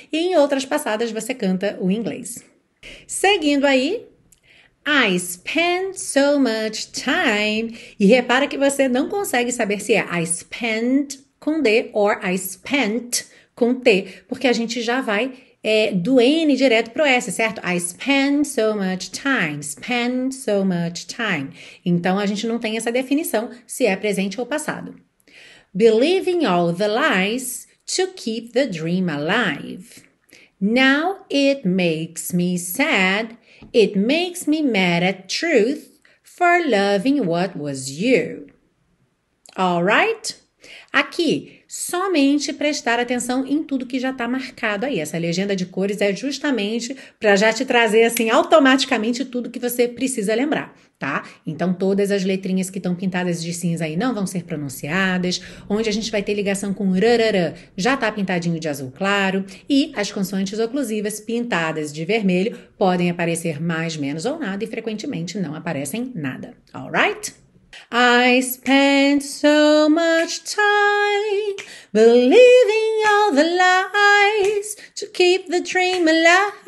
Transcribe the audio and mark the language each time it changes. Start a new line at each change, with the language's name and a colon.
Portuguese: E em outras passadas, você canta o inglês. Seguindo aí.
English: I spend so much time.
Portuguese: E repara que você não consegue saber se é I spent com D or I spent com T, porque a gente já vai do N direto pro S, certo?
English: I spend so much time, spend so much time.
Portuguese: Então, a gente não tem essa definição se é presente ou passado.
English: Believing all the lies to keep the dream alive. Now it makes me sad. It makes me mad at truth for loving what was you. All right?
Portuguese: Aqui, somente prestar atenção em tudo que já está marcado aí. Essa legenda de cores é justamente para já te trazer, assim, automaticamente tudo que você precisa lembrar, tá? Então, todas as letrinhas que estão pintadas de cinza aí não vão ser pronunciadas. Onde a gente vai ter ligação com rarara já está pintadinho de azul claro. E as consoantes oclusivas pintadas de vermelho podem aparecer mais, menos ou nada e frequentemente não aparecem nada.
English: All right? I spent so much time believing all the lies to keep the dream alive.